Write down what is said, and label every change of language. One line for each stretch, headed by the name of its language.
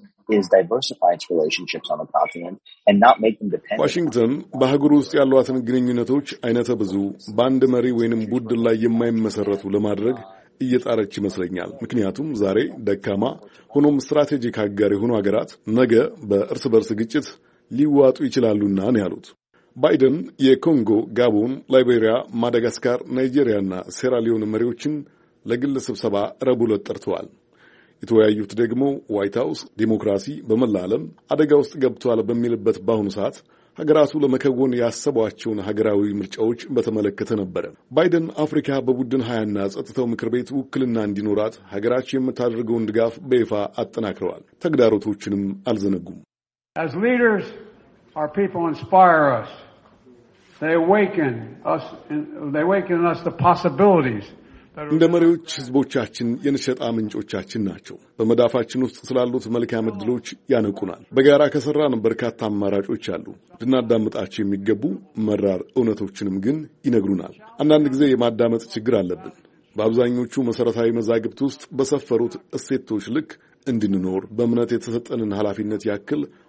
English: is diversify its relationships on the continent and not make them dependent.
Amharic: Washington በሀገር ውስጥ ያሏትን ግንኙነቶች አይነተ ብዙ ባንድ መሪ ወይንም ቡድን ላይ የማይመሰረቱ ለማድረግ እየጣረች ይመስለኛል። ምክንያቱም ዛሬ ደካማ ሆኖም ስትራቴጂክ አጋር የሆኑ ሀገራት ነገ በእርስ በርስ ግጭት ሊዋጡ ይችላሉና ነው ያሉት። ባይደን የኮንጎ፣ ጋቡን፣ ላይቤሪያ፣ ማዳጋስካር፣ ናይጄሪያና ሴራሊዮን መሪዎችን ለግል ስብሰባ ረቡዕ ዕለት ጠርተዋል። የተወያዩት ደግሞ ዋይት ሃውስ ዲሞክራሲ በመላ ዓለም አደጋ ውስጥ ገብቷል በሚልበት በአሁኑ ሰዓት ሀገራቱ ለመከወን ያሰቧቸውን ሀገራዊ ምርጫዎች በተመለከተ ነበረ። ባይደን አፍሪካ በቡድን 20ና ጸጥታው ምክር ቤት ውክልና እንዲኖራት ሀገራቸው የምታደርገውን ድጋፍ በይፋ አጠናክረዋል። ተግዳሮቶችንም አልዘነጉም።
English: As leaders, our people inspire us. They awaken us the possibilities.
Amharic: እንደ መሪዎች ህዝቦቻችን የንሸጣ ምንጮቻችን ናቸው። በመዳፋችን ውስጥ ስላሉት መልካም እድሎች ያነቁናል። በጋራ ከሰራን በርካታ አማራጮች አሉ። ድናዳምጣቸው የሚገቡ መራር እውነቶችንም ግን ይነግሩናል። አንዳንድ ጊዜ የማዳመጥ ችግር አለብን። በአብዛኞቹ መሰረታዊ መዛግብት ውስጥ በሰፈሩት እሴቶች ልክ እንድንኖር በእምነት የተሰጠንን ኃላፊነት ያክል